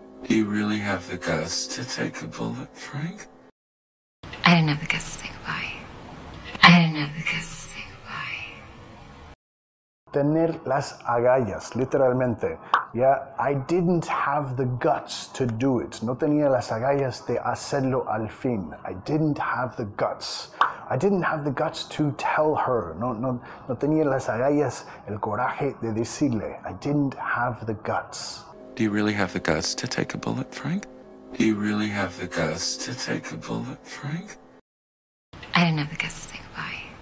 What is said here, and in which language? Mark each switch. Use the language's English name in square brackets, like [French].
[English] Do you really have the guts to take a bullet, Frank? I didn't have the guts to say goodbye. I didn't have the guts. [Spanish] Tener las agallas, literalmente. [English] Yeah, I didn't have the guts to do it. [Spanish] No tenía las agallas de hacerlo al fin. [English] I didn't have the guts. I didn't have the guts to tell her. [Spanish] No tenía las agallas, el coraje de decirle. [English] I didn't have the guts. Do you really have the guts to take a bullet, Frank? Do you really have the guts to take a bullet, Frank? I didn't have the guts to say goodbye.